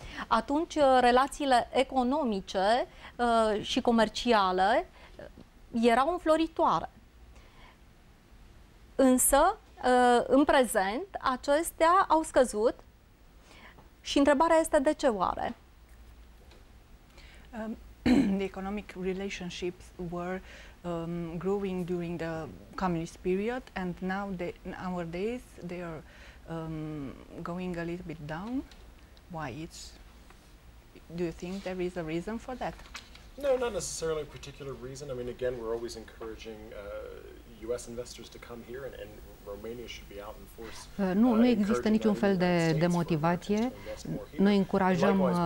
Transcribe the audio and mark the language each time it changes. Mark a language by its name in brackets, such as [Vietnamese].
[Romanian] Atunci relațiile economice și comerciale erau înfloritoare. Însă, în prezent, acestea au scăzut și întrebarea este de ce oare? [English] The economic relationships were growing during the communist period, and now nowadays they are going a little bit down. Why it's Do you think there is a reason for that? No, not necessarily a particular reason. I mean, again, we're always encouraging U.S. investors to come here, and Romania should be out in force. [Romanian] Nu există niciun fel de motivație. Noi încurajăm.